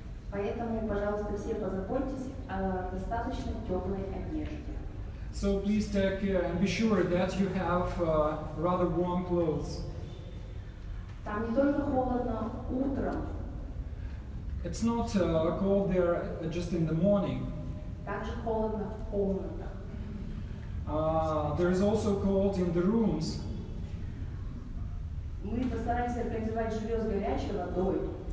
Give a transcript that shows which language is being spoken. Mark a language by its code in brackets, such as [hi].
[ru] Поэтому, пожалуйста, все позаботьтесь о достаточно теплой одежде. [en] So please take care and be sure that you have rather warm clothes. [ru] Там не только холодно утром. [en] It's not cold there just in the morning. [ru] Также холодно в комнатах. [en] There is also cold in the rooms. [ru] Мы постараемся организовать жилье с горячей водой.